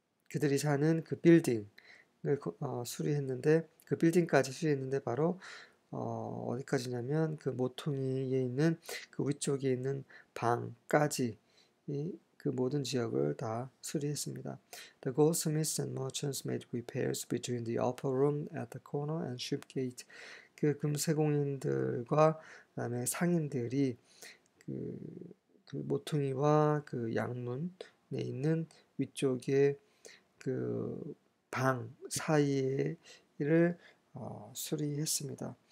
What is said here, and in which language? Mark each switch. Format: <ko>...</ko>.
<ko>그들이 사는 그 빌딩을 수리했는데 그 빌딩까지 수리했는데 바로 어디까지냐면 그 모퉁이에 있는 그 위쪽에 있는 방까지 그 모든 지역을 다 수리했습니다.</ko> <en>The goldsmiths and merchants made repairs between the upper room at the corner and ship gate.</en> <ko>그 금세공인들과 그다음에 상인들이 그 모퉁이와 그 양문에 있는 위쪽에 그 방 사이를 수리했습니다.</ko>